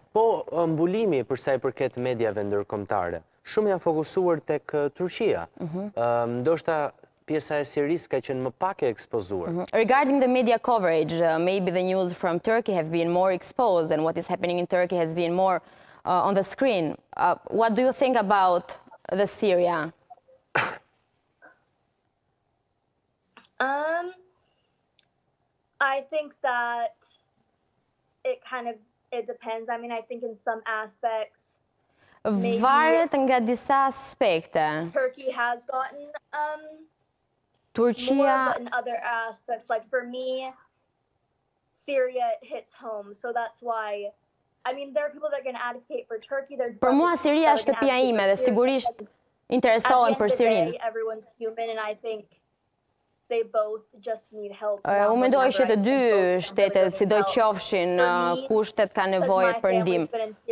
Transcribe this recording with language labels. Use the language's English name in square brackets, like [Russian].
[Albanian] Po mbulimi për sa i përket mediave ndërkombëtare, shumë janë fokusuar tek Turqia. Ndoshta pjesa e Sirisë ka qenë më pak e ekspozuar. [English] Regarding the media coverage, maybe the news from Turkey have been more exposed and what is happening in Turkey has been more on the screen. What do you think about the Syria? I think that it kind of it depends. I mean, I think in some aspects [Albanian] varet nga disa aspekte. [English] Turkey has gotten [Albanian] Turqia [English] more, but in other aspects, like for me, Syria hits home, so that's why. I mean, there are people that are going to advocate for Turkey. [Albanian] Për mua Siria është shtëpia ime dhe sigurisht interesohen për Sirinë. [English] Everyone's human, and I think they both just need help. [Albanian] U mendoj që të dy shtetet, sido qofshin kushtet kanë nevojë për ndihmë.